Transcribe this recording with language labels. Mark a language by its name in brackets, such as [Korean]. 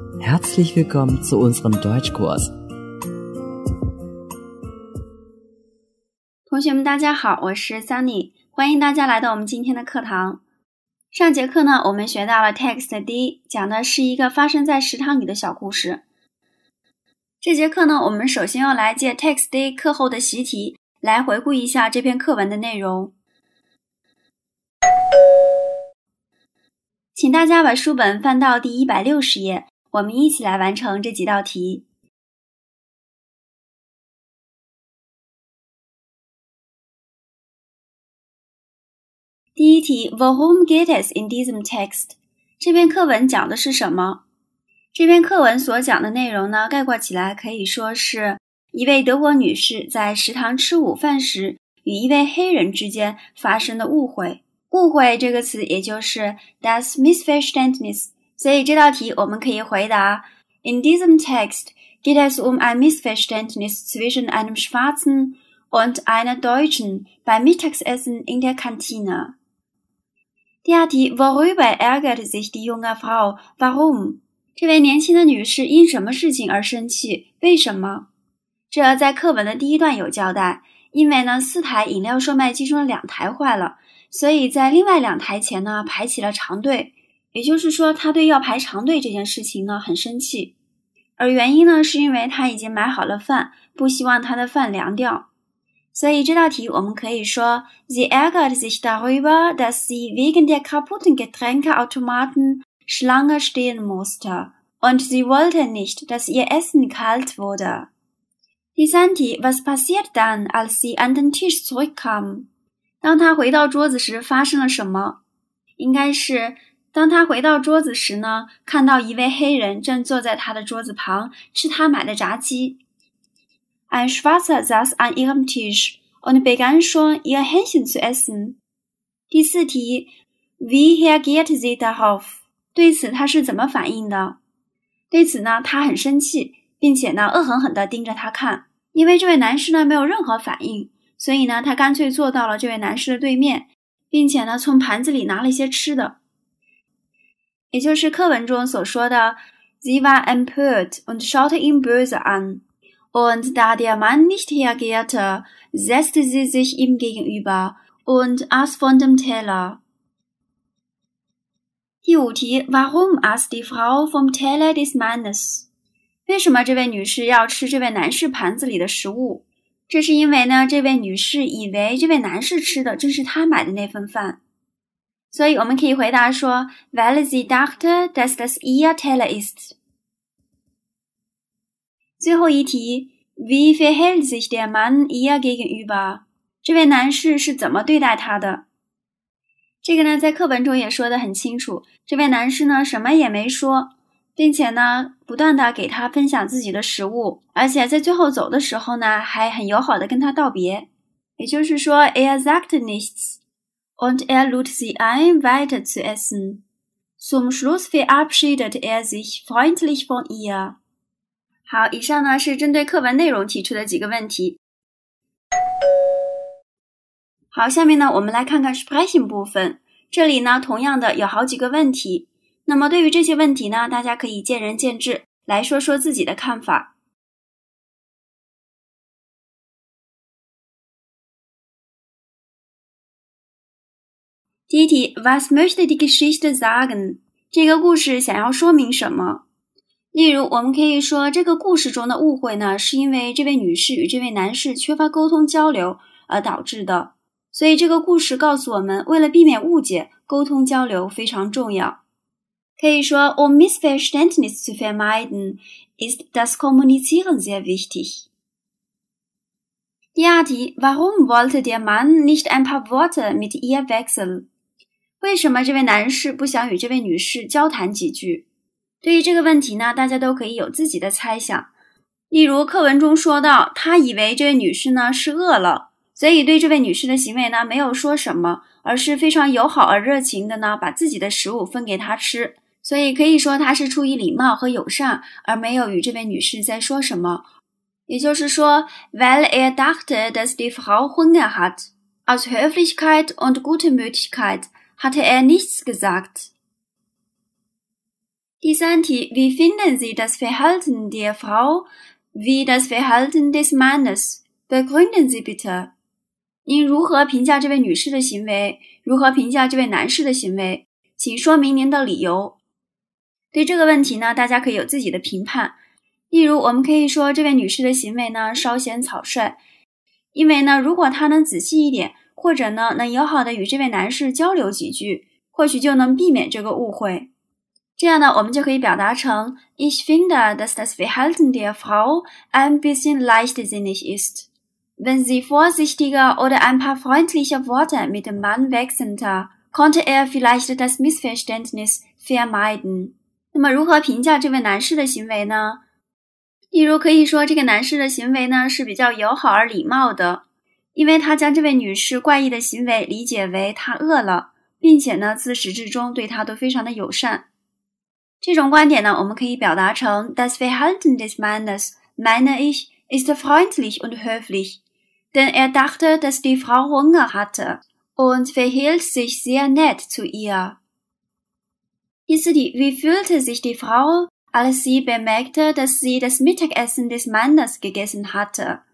[German] Herzlich willkommen zu unserem Deutschkurs. [Chinese] 同学们大家好，我是 Sunny， 欢迎大家来到我们今天的课堂。上节课呢，我们学到了 text D， 讲的是一个发生在食堂里的小故事。这节课呢，我们首先要来借 text D 课后的习题，来回顾一下这篇课文的内容。请大家把书本翻到第160页，我们一起来完成这几道题。第一题 [German] ,Warum geht es in diesem Text? [Chinese] 这篇课文讲的是什么？这篇课文所讲的内容呢，概括起来可以说是一位德国女士在食堂吃午饭时与一位黑人之间发生的误会。误会这个词也就是 [German] das Missverständnis， [Chinese] 所以这道题我们可以回答 [German] In diesem Text geht es ein Missverständnis zwischen einem Schwarzen und einer Deutschen beim Mittagessen in der Kantine。 [Chinese] 第二题 [German] Worüber ärgert sich die junge Frau? Warum? [Chinese] 这位年轻的女士因什么事情而生气？为什么？这在课文的第一段有交代，因为呢，四台饮料售卖机中的两台坏了，所以在另外两台前呢排起了长队，也就是说他对要排长队这件事情呢很生气，而原因呢是因为他已经买好了饭，不希望他的饭凉掉。所以这道题我们可以说 [German] Sie ärgert sich darüber, dass sie wegen der kaputten Getränkeautomaten Schlange stehen musste und sie wollte nicht, dass ihr Essen kalt wurde. [Chinese] 第三题 [German] Was passiert dann, als sie an den Tisch zurückkam? [Chinese] 当他回到桌子时发生了什么？应该是当他回到桌子时呢，看到一位黑人正坐在他的桌子旁吃他买的炸鸡。 [German] Ein Schwarzer saß an ihrem Tisch und begann schon ihr Hähnchen zu essen. [Chinese] 第四题 [German] ,Wie reagiert sie darauf? [Chinese] 对此他是怎么反应的？对此呢，他很生气，并且呢恶狠狠地盯着他看，因为这位男士呢没有任何反应。所以呢，他干脆坐到了这位男士的对面，并且呢，从盘子里拿了一些吃的。也就是课文中所说的 [German] Sie war empört und schaute ihn böse an. Und da der Mann nicht reagierte, setzte sie sich ihm gegenüber und aß von dem Teller. [Chinese] 第五题 [German] Warum aß die Frau vom Teller des Mannes? [Chinese] 为什么这位女士要吃这位男士盘子里的食物？这是因为呢，这位女士以为这位男士吃的正是她买的那份饭。所以我们可以回答说 [German] weil sie dachte, dass das ihr Teller ist. [Chinese] 最后一题 [German] Wie verhält sich der Mann ihr gegenüber? [Chinese] 这位男士是怎么对待她的？这个呢，在课文中也说得很清楚，这位男士呢，什么也没说，并且呢不断地给他分享自己的食物，而且在最后走的时候呢还很友好地跟他道别。也就是说 [German] ,er sagte nichts, und lud sie ein weiter zu essen. Zum Schluss verabschiedet sich freundlich von ihr. [Chinese] 好，以上呢是针对课文内容提出的几个问题。好，下面呢我们来看看 Sprechen 部分。这里呢同样的有好几个问题。那么对于这些问题呢，大家可以见仁见智，来说说自己的看法。第一题 [German] ,Was möchte die Geschichte sagen? [Chinese] 这个故事想要说明什么？例如我们可以说这个故事中的误会呢，是因为这位女士与这位男士缺乏沟通交流而导致的。所以这个故事告诉我们，为了避免误解，沟通交流非常重要。可以说 [German] ,um Missverständnis zu vermeiden, ist das Kommunizieren sehr wichtig. [Chinese] 第二题 [German] ,Warum wollte der Mann nicht ein paar Worte mit ihr wechseln? [Chinese] 为什么这位男士不想与这位女士交谈几句？对于这个问题呢，大家都可以有自己的猜想。例如课文中说到，他以为这位女士呢是饿了，所以对这位女士的行为呢没有说什么，而是非常友好而热情的呢把自己的食物分给她吃。所以可以说他是出于礼貌和友善，而没有与这位女士在说什么。也就是说 [German] ,weil dachte, dass die Frau Hunger hat. Aus Höflichkeit und Gutmütigkeit hatte nichts gesagt. Die Santi, wie finden Sie das Verhalten der Frau wie das Verhalten des Mannes? Begründen Sie bitte. [Chinese] 您如何评价这位女士的行为？如何评价这位男士的行为？请说明您的理由。对这个问题呢，大家可以有自己的评判。例如，我们可以说这位女士的行为呢稍显草率，因为呢，如果她能仔细一点，或者呢能友好的与这位男士交流几句，或许就能避免这个误会。这样呢，我们就可以表达成 [German] Ich finde, dass das Verhalten der Frau ein bisschen leichtsinnig ist, wenn sie vorsichtiger oder ein paar freundlicher Worte mit dem Mann wechselte, konnte vielleicht das Missverständnis vermeiden. [Chinese] 那么如何评价这位男士的行为呢？例如可以说这个男士的行为呢是比较友好而礼貌的，因为他将这位女士怪异的行为理解为她饿了，并且呢自始至终对她都非常的友善。这种观点呢我们可以表达成 [German] Das Verhalten des Mannes, meine ich, ist freundlich und höflich, denn dachte, dass die Frau Hunger hatte und verhielt sich sehr nett zu ihr. [Chinese] 第四题 [German] Wie fühlte sich die Frau, als sie bemerkte, dass sie das Mittagessen des Mannes gegessen hatte?